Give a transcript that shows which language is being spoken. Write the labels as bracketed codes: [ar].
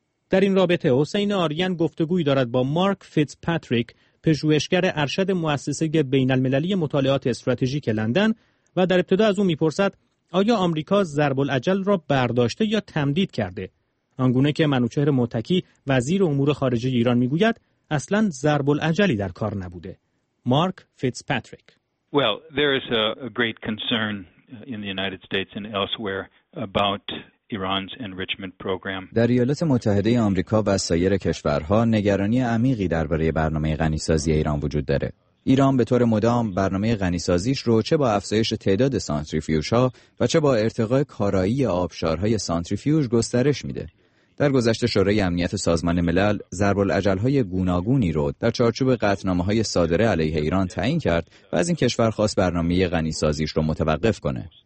[fa] در این رابطه حسین آریان گفتگوی دارد با مارک فیتز پاتریک، پژوهشگر ارشد مؤسسه بین المللی مطالعات استراتژیک لندن، و در ابتدا از او میپرسد آیا آمریکا ضرب الاجل را برداشته یا تمدید کرده؟ آنگونه که منوچهر متکی وزیر امور خارجه ایران میگوید اصلا ضرب الاجلی در کار نبوده. مارک فیتز پاتریک: [en] Well, there is a great concern in the United States and elsewhere about Iran's enrichment program. [fa] در ایالات متحده آمریکا و سایر کشورها نگرانی عمیقی درباره برنامه غنی‌سازی ایران وجود داره. ایران به طور مدام برنامه غنی‌سازیش رو چه با افزایش تعداد سانتریفیوژها و چه با ارتقاء کارایی آبشارهای سانتریفیوژ گسترش میده. در گذشته شورای امنیت سازمان ملل ضرب الاجل‌های گوناگونی رو در چارچوب قطعنامه‌های صادره علیه ایران تعیین کرد و از این کشور خواست برنامه غنی‌سازیش رو متوقف کنه.